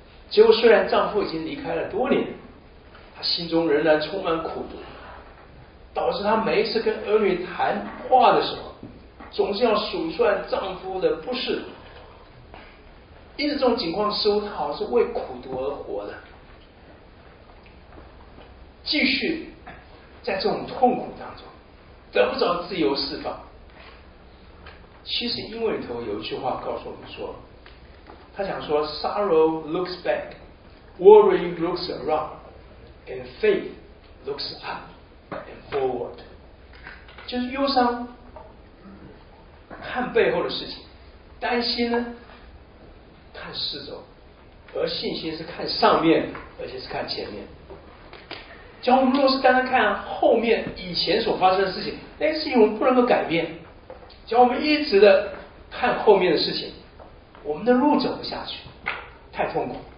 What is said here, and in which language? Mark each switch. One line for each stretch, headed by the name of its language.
Chinese: 结果虽然丈夫已经离开了多年，她心中仍然充满苦毒，导致她每一次跟儿女谈话的时候总是要数算丈夫的不是。因此这种情况似乎她好像是为苦毒而活的，继续在这种痛苦当中得不着自由释放。其实英文里头有一句话告诉我们说，他讲说
English: Sorrow looks back, Worry looks around, And faith looks up and forward.
Chinese: 就是忧伤看背后的事情，担心呢看四周，而信心是看上面，而且是看前面。假如我们若是单单看后面以前所发生的事情，那些事情我们不能够改变，只要我们一直的看后面的事情，我们的路走不下去，太痛苦。